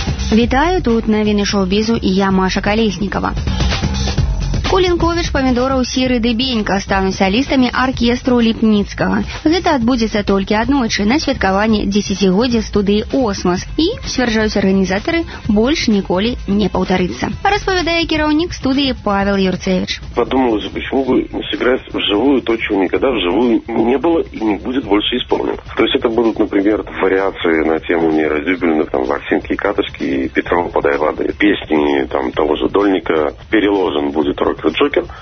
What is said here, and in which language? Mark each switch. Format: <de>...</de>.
<be>Вітаю, тут навіны шоу-бізу і я, Маша Калеснікова. Кулінковіч, Памідораў, Сіры Дыбенька стануць салістамі аркестру Ліпніцкага. Гэта адбудзецца толькі аднойчы на святкаванні 10-годзя студыі «Осмос». І, сцвярджаюць арганізатары, больш ніколі не паўтарыцца. Распавядае кіраўнік студыі Павел Юрцевіч.</be> <ru>Падумалася, почему бы не сыграць вживую то, чего никогда вживую не было і не будет больше исполнено. То есть это будут, например, вариации на тему неразлюбленных, там, «Ворсинки и Каточки» и «Петрова подай воды». Песни, там, того же Дольника «Переложен будет». Рок Джокер.</ru>